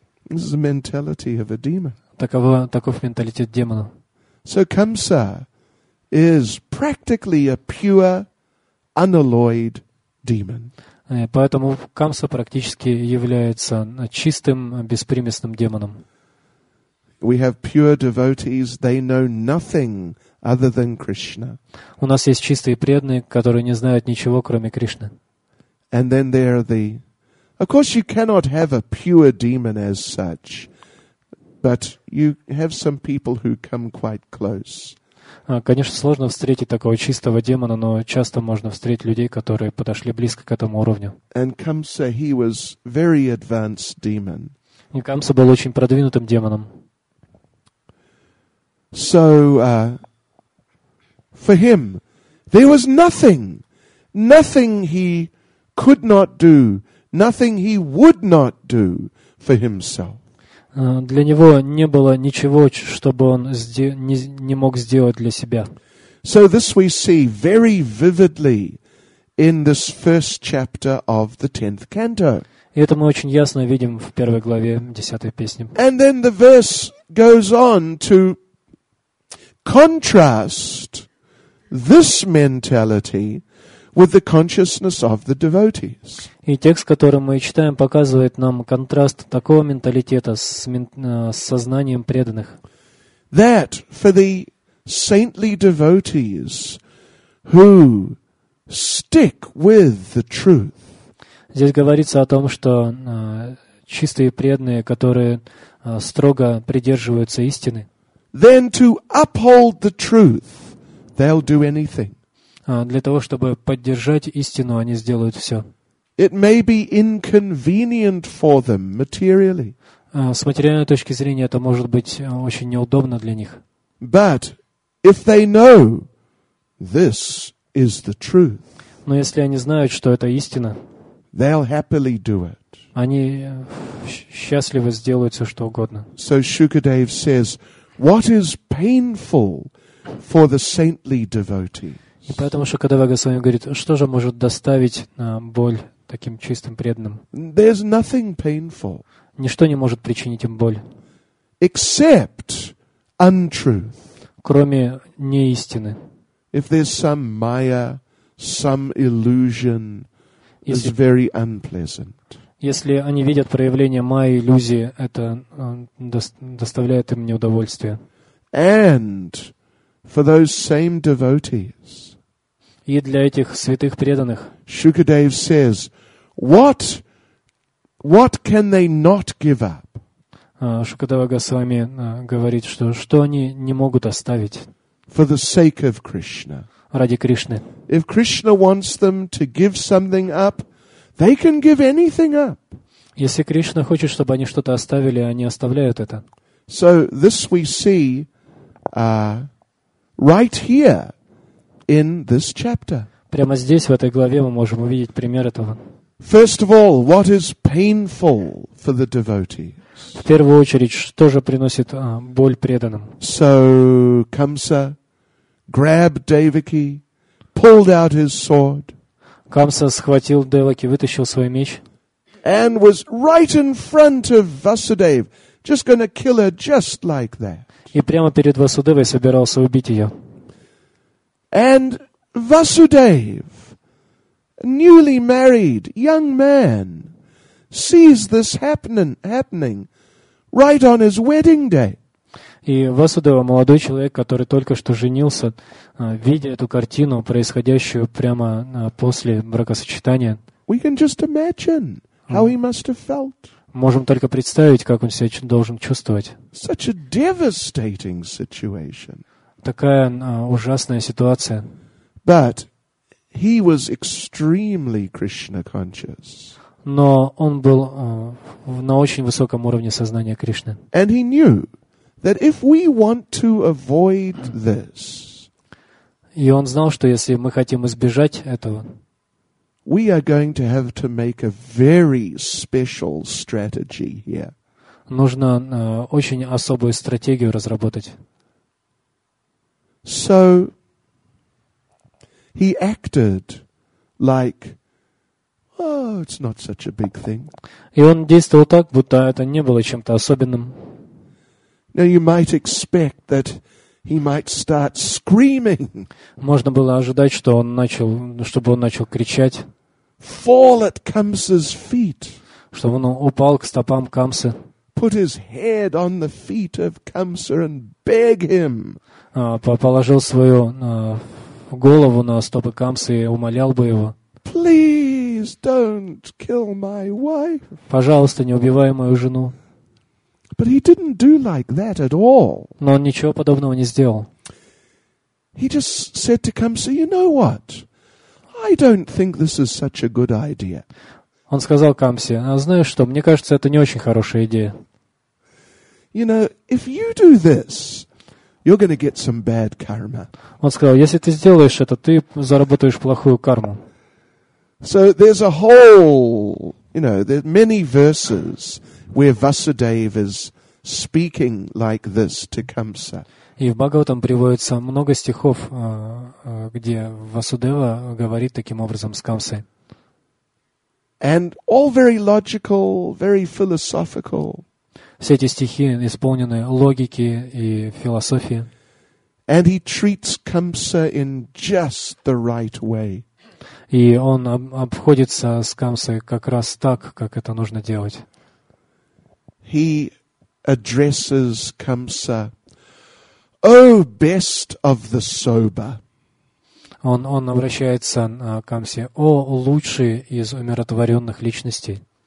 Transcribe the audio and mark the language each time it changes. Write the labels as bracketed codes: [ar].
[en] This is the mentality of a demon. [ru] Таков менталитет демона. [en] So Kamsa is practically a pure, unalloyed demon. [ru] Поэтому Камса практически является чистым, беспримесным демоном. [en] We have pure devotees, they know nothing other than Krishna. [ru] У нас есть чистые преданные, которые не знают ничего, кроме Кришны. [en] And then there are the... Of course, you cannot have a pure demon as such, but you have some people who come quite close. [ru] Конечно, сложно встретить такого чистого демона, но часто можно встретить людей, которые подошли близко к этому уровню. [en] And Kamsa, he was very advanced demon. [ru] И Камса был очень продвинутым демоном. [en] So, for him, there was nothing, nothing he could not do, nothing he would not do for himself. [ru] Для него не было ничего, чтобы он не мог сделать для себя. [en] So this we see very vividly in this first chapter of the 10th canto. [ru] И это мы очень ясно видим в первой главе 10-й песни. [en] And then the verse goes on to contrast this mentality with the consciousness of the devotees. [ru] И текст, который мы читаем, показывает нам контраст такого менталитета с сознанием преданных. [en] That for the saintly devotees who stick with the truth. [ru] Здесь говорится о том, что чистые преданные, которые строго придерживаются истины, [en] then to uphold the truth, they'll do anything. [ru] Для того, чтобы поддержать истину, они сделают все. [en] It may be inconvenient for them materially. [ru] С материальной точки зрения это может быть очень неудобно для них. [en] But if they know this is the truth, [ru] но если они знают, что это истина, [en] they'll happily do it. [ru] Они счастливо сделают все, что угодно. [en] So Shukadev says, what is painful for the saintly devotee? [ru] И поэтому Шукадева Госвами говорит, что же может доставить боль таким чистым преданным? [en] There's nothing painful. [ru] Ничто не может причинить им боль. [en] Except untruth. [ru] Кроме неистины. [en] If there's some maya, some illusion, it's very unpleasant. [ru] Если они видят проявление майи, иллюзии, это доставляет им неудовольствие. [en] And for those same devotees, [ru] и для этих святых преданных. [en] Shukadev says, what can they not give up? [ru] Шукадева Госвами говорит, что они не могут оставить. [en] For the sake of Krishna. [ru] Ради Кришны. [en] If Krishna wants them to give something up, they can give anything up. [ru] Если Кришна хочет, чтобы они что-то оставили, они оставляют это. [en] So this we see right here. in this chapter. [ru] Прямо здесь, в этой главе, мы можем увидеть пример этого. [en] First of all, what is painful for the devotees? [ru] В первую очередь, что же приносит боль преданным? [en] So Kamsa grabbed Devaki, pulled out his sword. [ru] Камса схватил Деваки, вытащил свой меч. [en] And was right in front of Vasudeva, just going to kill her just like that. [ru] И прямо перед Васудевой собирался убить ее. [en] And Vasudev, newly married young man, sees this happening right on his wedding day. [ru] И Васудева, молодой человек, который только что женился, видя эту картину, происходящую прямо после бракосочетания. [en] We can just imagine how he must have felt. [ru] Можем только представить, как он себя должен чувствовать. [en] Such a devastating situation. [ru] Такая ужасная ситуация. [en] But he was extremely Krishna conscious. [ru] Но он был на очень высоком уровне сознания Кришны. [en] And he knew that if we want to avoid this, [ru] и он знал, что если мы хотим избежать этого, [en] we are going to have to make a very special strategy here. [ru] Нужно очень особую стратегию разработать. [en] So he acted like, oh, it's not such a big thing. [ru] И он действовал так, будто это не было чем-то особенным. [en] Now you might expect that he might start screaming. [ru] Можно было ожидать, что он начал, чтобы он начал кричать. [en] Fall at Kamsa's feet. [ru] Чтобы он упал к стопам Камсы. [en] Put his head on the feet of Kamsa and beg him. [ru] Положил свою голову на стопы Камсы и умолял бы его. [en] Please don't kill my wife. [ru] Пожалуйста, не убивай мою жену. [en] But he didn't do like that at all. [ru] Но он ничего подобного не сделал. [en] He just said to Kamsa, "You know what? I don't think this is such a good idea." [ru] Он сказал Камсе: "А знаешь что? Мне кажется, это не очень хорошая идея." [en] You know, if you do this, you're going to get some bad karma. [ru] Он сказал: "Если ты сделаешь это, ты заработаешь плохую карму." [en] So there's a whole, you know, there's many verses where Vasudeva is speaking like this to Kamsa. [ru] И в Бхагаватам приводится много стихов, где Васудева говорит таким образом с Камсой. [en] And all very logical, very philosophical. [ru] Все эти стихи исполнены логики и философии. [en] And he treats Kamsa in just the right way. [ru] И он обходится с Камсой как раз так, как это нужно делать. [en] He addresses Kamsa, "O best of the sober." [ru] Он обращается к Камсе: "О лучший из умиротворенных личностей."